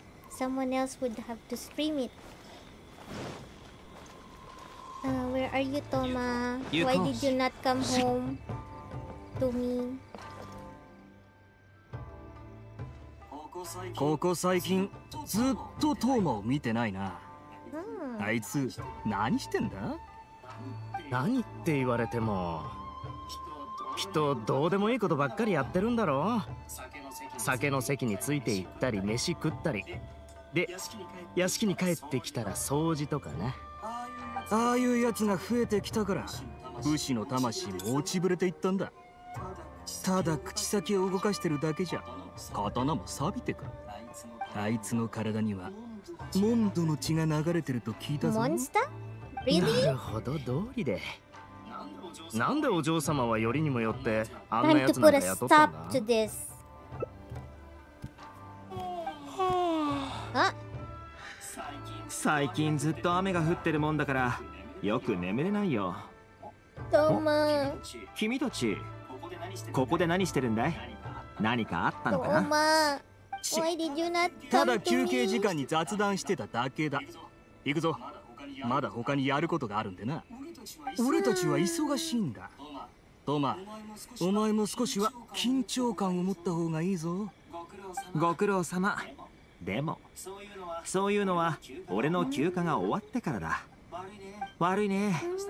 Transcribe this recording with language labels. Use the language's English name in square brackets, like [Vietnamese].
[English] Someone else would have to stream it. Where are you, Toma? Why did you not come home to me? [Japanese] 高校最近ずっとトーマを見てないな。あいつ何してんだ？何って言われても、きっとどうでもいいことばっかりやってるんだろう。酒の席について行ったり飯食ったりで、屋敷に帰ってきたら掃除とかね。ああいうやつが増えてきたから武士の魂も落ちぶれていったんだ。ただ口先を動かしてるだけじゃ刀も錆びてくる。あいつの体にはモンドの血が流れてると聞いたぞ。モンスター？Really? なるほど、通りで。なんでお嬢様はよりにもよってあんなやつなんか雇ったんだ。 [English] Time to put a stop to this. [Japanese] あ、最近ずっと雨が降ってるもんだからよく眠れないよ。トーマ、君たちここで何してるんだい？何かあったのかな？ [English] トーマ、Why did you not come to me? [Japanese] ただ休憩時間に雑談してただけだ。行くぞ。まだ他にやることがあるんでな。俺たちは忙しいんだ。トーマ、お前も少しは緊張感を持った方がいいぞ。ご苦労様。でもそういうのは俺の休暇が終わってからだ。悪いね。